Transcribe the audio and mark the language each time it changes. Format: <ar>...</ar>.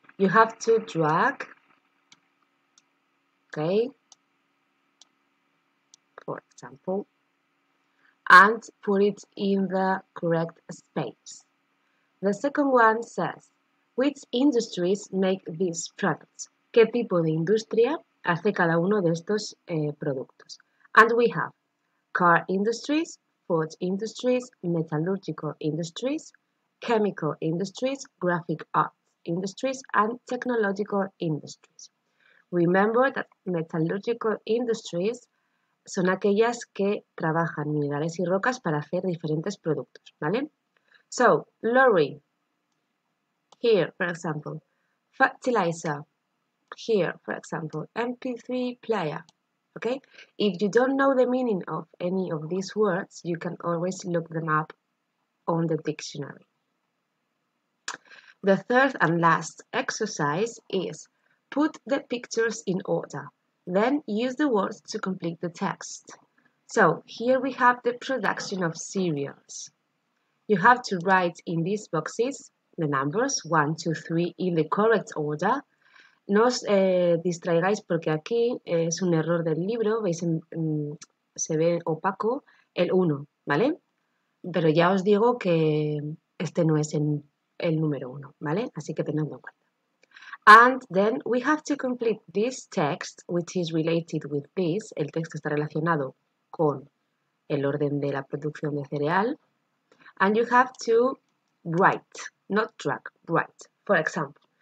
<en>You have to drag, okay, for example, and put it in the correct space. The second one says, which industries make these products?</en> <es>¿Qué tipo de industria hace cada uno de estos productos?</es> <en>And we have car industries, food industries, metallurgical industries, chemical industries, graphic arts industries, and technological industries. Remember that metallurgical industries</en> <es>son aquellas que trabajan minerales y rocas para hacer diferentes productos, ¿vale?</es> <en>So, lorry, here, for example, fertilizer, here, for example, MP3 player. Okay, if you don't know the meaning of any of these words, you can always look them up on the dictionary. The third and last exercise is put the pictures in order, then use the words to complete the text. So here we have the production of cereals. You have to write in these boxes the numbers 1, 2, 3 in the correct order.</en> <es>No os distraigáis porque aquí es un error del libro, veis, se ve opaco el 1, ¿vale? Pero ya os digo que este no es el número 1, ¿vale? Así que tenedlo en cuenta.</es> <en>And then we have to complete this text, which is related with this.</en> <es>El texto está relacionado con el orden de la producción de cereal.</es> <en>And you have to write, not drag, write, for example.</en>